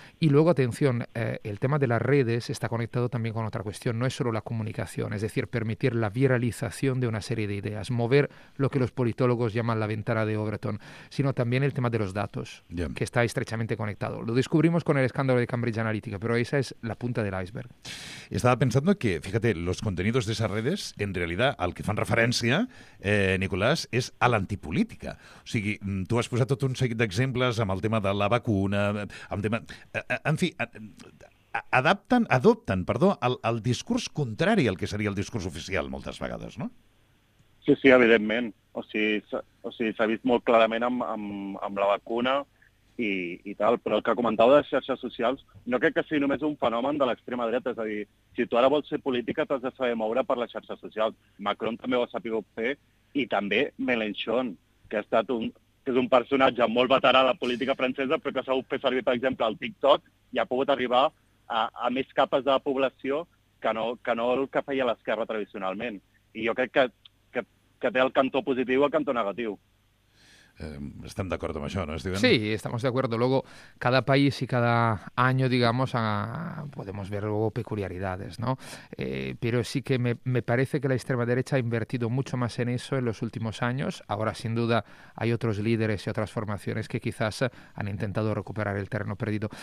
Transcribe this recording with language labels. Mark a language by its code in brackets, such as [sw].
[es] Y luego, atención, el tema de las redes está conectado también con otra cuestión. No es solo la comunicación, es decir, permitir la viralización de una serie de ideas, mover lo que los politólogos llaman la ventana de Overton, sino también el tema de los datos, yeah, que está estrechamente conectado. Lo descubrimos con el escándalo de Cambridge Analytica, pero esa es la punta del iceberg. Estaba pensando que, fíjate, los contenidos de esas redes, en realidad, [ca] al que fan referència, Nicolás, és a l'antipolítica. O sigui, tu has posat tot un seguit d'exemples amb el tema de la vacuna, amb tema... En fi, adopten el discurs contrari al que seria el discurs oficial moltes vegades, no? Sí, sí, evidentment. O sigui, s'ha vist molt clarament amb la vacuna i tal, però el que comentava de les xarxes socials, no crec que sigui només un fenomen de l'extrema dreta, és a dir, si tu ara vols ser política, t'has de saber moure per les xarxes socials. Macron també ho ha sabut fer, i també Mélenchon, que ha estat que és un personatge molt veterà a la política francesa, però que ha sabut fer servir, per exemple, el TikTok, i ha pogut arribar a més capes de la població que no el que feia l'esquerra tradicionalment. I jo crec que té el cantó positiu o el cantó negatiu. [es] Están de acuerdo con eso, ¿no, Steven? Sí, estamos de acuerdo. Luego, cada país y cada año, digamos, podemos ver luego peculiaridades, ¿no? Pero sí que me parece que la extrema derecha ha invertido mucho más en eso en los últimos años. Ahora, sin duda, hay otros líderes y otras formaciones que quizás han intentado recuperar el terreno perdido.